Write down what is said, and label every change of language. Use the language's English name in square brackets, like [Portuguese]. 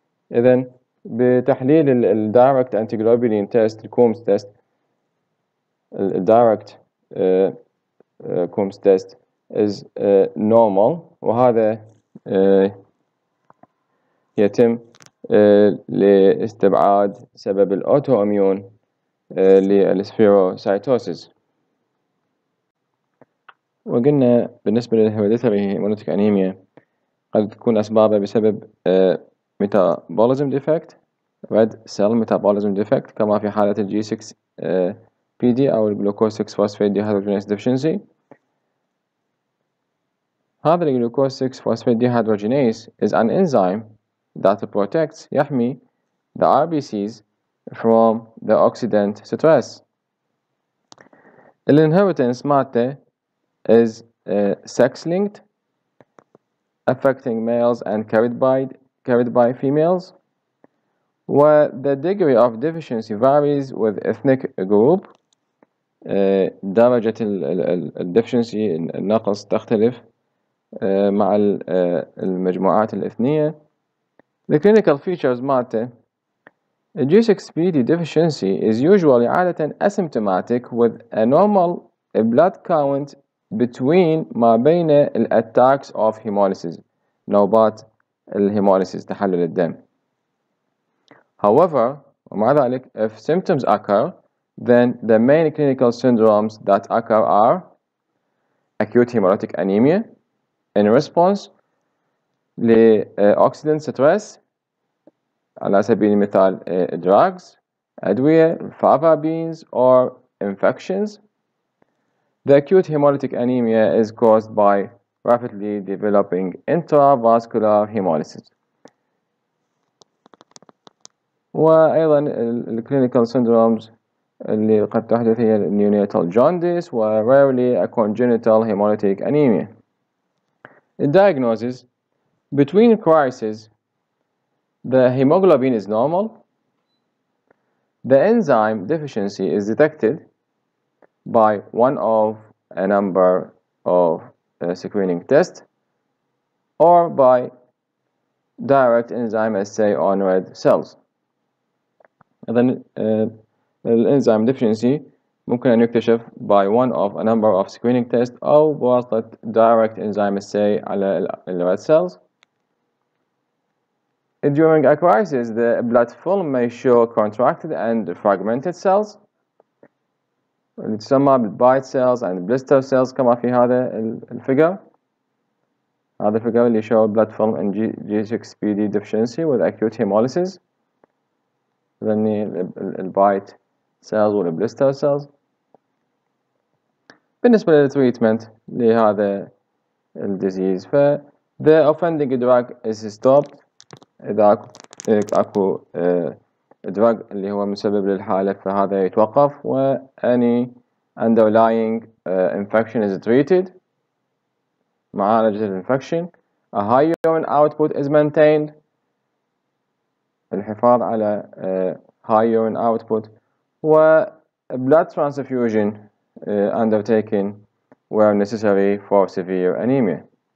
[English] Then, [Arabic] بتحليل ال [English] direct antiglobulin test, Coombs test, direct Coombs test is normal, [Arabic] وهذا يتم لاستبعاد سبب الأوتوأميون للسفيروسايتوسيس. وقلنا بالنسبة للهيريديتري هيماتولوجيك أنيميا قد تكون أسبابها بسبب ميتابوليزم ديفكت ريد سيل ميتابوليزم ديفكت كما في حالة الجي 6 بي دي أو الجلوكوز 6 فوسفيت ديهيدروجينيز ديفيشنسي. هذا الجلوكوز 6 فوسفيت ديهيدروجينيز [English] is an enzyme that protects, [Arabic] يحمي [English] the RBCs from the oxidant stress. The inheritance mate is sex-linked, affecting males and carried by females. Where the degree of deficiency varies with ethnic group. [Arabic] درجة ال deficiency النقص تختلف مع المجموعات الإثنية. [English] The clinical features matter. G6PD deficiency is usually [Arabic] عادة [English] asymptomatic with a normal blood count between [Arabic] ما بين [English] attacks of hemolysis, [Arabic] نوبات الهيموليسيس تحلل الدم. [English] However, [Arabic] ومع ذلك, [English] if symptoms occur, then the main clinical syndromes that occur are acute hemolytic anemia in response to oxidant stress, [Arabic] على سبيل المثال [English] drugs, [Arabic] أدوية الفافا بينز [English] or infections. The acute hemolytic anemia is caused by rapidly developing intravascular hemolysis. [Arabic] وأيضا الكلينيكال سيندرومز اللي قد تحدث هي النيونيتال جونديس و [English] rarely a congenital hemolytic anemia. الدياجنوزز between crises the hemoglobin is normal, the enzyme deficiency is detected by one of a number of screening tests or by direct enzyme assay on red cells. Then الانزيم deficiency [Arabic] ممكن ان يكتشف [English] by one of a number of screening tests [Arabic] او بواسطة [English] direct enzyme assay [Arabic] على ال [English] red cells. During a crisis the blood film may show contracted and fragmented cells [Arabic] اللي تسمى بالبايت سيلز [English] and blister cells [Arabic] كما في هذا الفيجر. هذا الفيجر اللي يشوف [English] blood film and G6PD deficiency with acute hemolysis. [Arabic] ذني البايت سيلز والبلستر سيلز. بالنسبة للتريتمنت لهذا الديزيز ف [English] the offending drug is stopped. [Arabic] إذا أكو drug اللي هو مسبب للحالة فهذا يتوقف و [English] any underlying infection is treated. [Arabic] معالجة الانفكشن. [English] A high urine output is maintained. [Arabic] الحفاظ على [English] high urine output و blood transfusion undertaken where necessary for severe anemia.